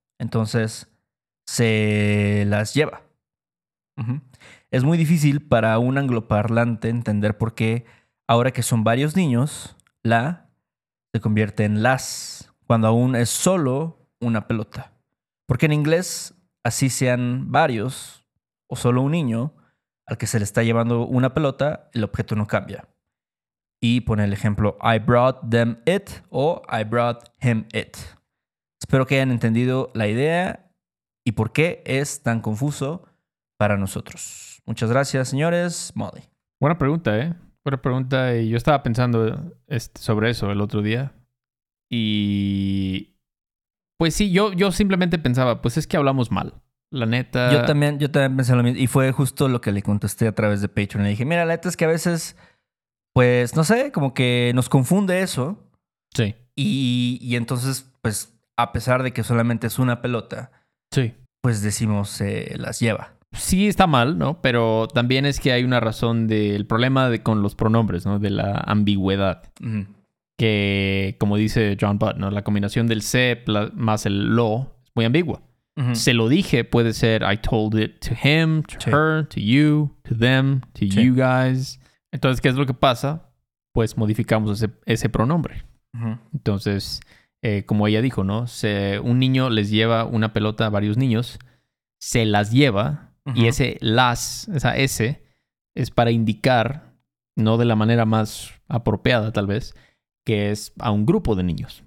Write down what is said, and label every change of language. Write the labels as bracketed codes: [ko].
[es] Entonces, se las lleva. Es muy difícil para un angloparlante entender por qué, ahora que son varios niños, la se convierte en las, cuando aún es solo una pelota. Porque en inglés, así sean varios o solo un niño, al que se le está llevando una pelota, el objeto no cambia. Y pone el ejemplo, [en] I brought them it [es] o [en] I brought him it. [es] Espero que hayan entendido la idea y por qué es tan confuso para nosotros. Muchas gracias, señores. Molly. Buena pregunta, ¿eh? Buena pregunta. Y yo estaba pensando sobre eso el otro día. Y pues sí, yo simplemente pensaba, pues es que hablamos mal. La neta... Yo también pensé lo mismo. Y fue justo lo que le contesté a través de Patreon. Le dije, mira, la neta es que a veces... Pues, no sé, como que nos confunde eso. Sí. Y entonces, pues, a pesar de que solamente es una pelota... Sí. Pues decimos, las lleva. Sí, está mal, ¿no? Pero también es que hay una razón del problema con los pronombres, ¿no? De la ambigüedad. Que, como dice John Butt, ¿no? La combinación del se más el lo es muy ambigua. Se lo dije, puede ser [en] I told it to him, to her, to you, to them, to you guys... [es] Entonces, ¿qué es lo que pasa? Pues modificamos ese pronombre. Entonces, como ella dijo, ¿no? Un niño les lleva una pelota a varios niños, se las lleva, y ese las, esa S, es para indicar, no de la manera más apropiada tal vez, que es a un grupo de niños.